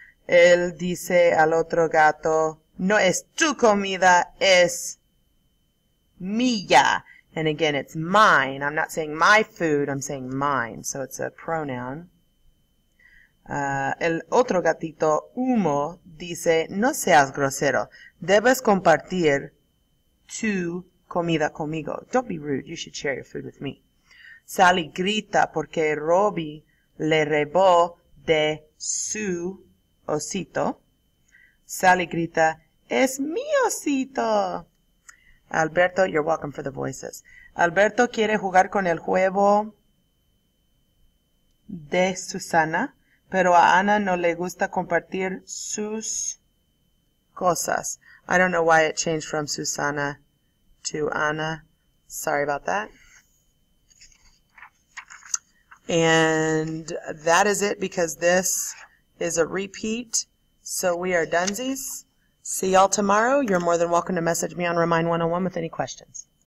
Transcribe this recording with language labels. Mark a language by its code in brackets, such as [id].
[es] Él dice al otro gato, no es tu comida, es mía. [en] And again, it's mine. I'm not saying my food, I'm saying mine. So it's a pronoun. [es] El otro gatito, Humo, dice, no seas grosero. Debes compartir tu comida conmigo. [en] Don't be rude. You should share your food with me. [es] Sally grita porque Robbie le robó de su osito. Sally grita, es mi osito. [en] Alberto, you're welcome for the voices. [es] Alberto quiere jugar con el juego de Susana. Pero a Ana no le gusta compartir sus cosas. [en] I don't know why it changed from Susana to Ana. Sorry about that. And that is it because this is a repeat. So we are donezies. See y'all tomorrow. You're more than welcome to message me on Remind 101 with any questions.